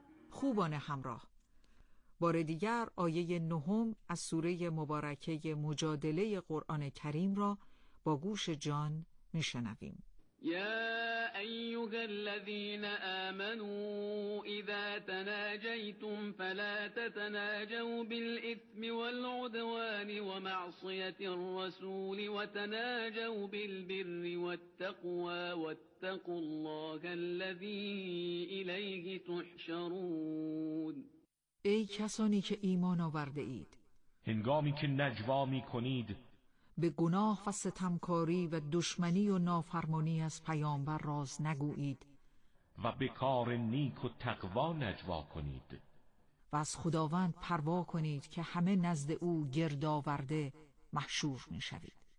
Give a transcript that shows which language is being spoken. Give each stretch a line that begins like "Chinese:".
Persian: خوبان همراه، بار دیگر آیه نهم از سوره مبارکه مجادله قرآن کریم را با گوش جان می شنویم.
Arabic: یا ایها الذین آمنوا اذا اذا تناجيتم فلا تتناجوا بالاثم والعدوان ومعصيه الرسول وتناجوا بالبر والتقوى واتقوا الله الذي اليه تحشرون.
Persian: ای کسانی که ایمان آورده اید، هنگامی که نجوا می کنید به گناه و ستمکاری و دشمنی و نافرمانی از پیامبر راز نگویید و به کار نیک و تقوا نجوا کنید و از خداوند پروا کنید که همه نزد او گرد آورده محشور می شوید.